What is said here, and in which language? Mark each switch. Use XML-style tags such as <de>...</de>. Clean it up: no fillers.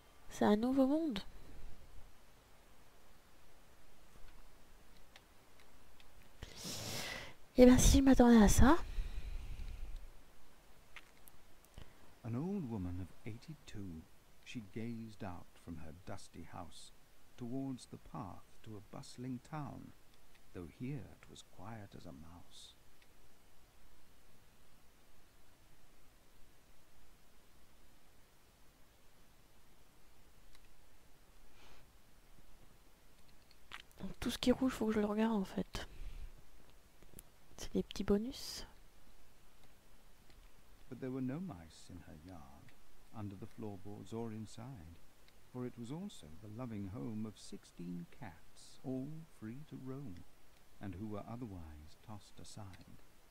<fr>C'est un nouveau monde. Et ben si je m'attendais à ça.</fr> <en>An old woman of 82, she gazed out from her dusty house towards the path to a bustling town, though here it was quiet as a mouse.</en> <fr>Tout ce qui est rouge, faut que je le regarde en fait. C'est des petits bonus.</fr> <en>But there were no mice in her yard, under the floorboards or inside, for it was also the loving home of 16 cats, all free to roam, and who were otherwise tossed aside.</en>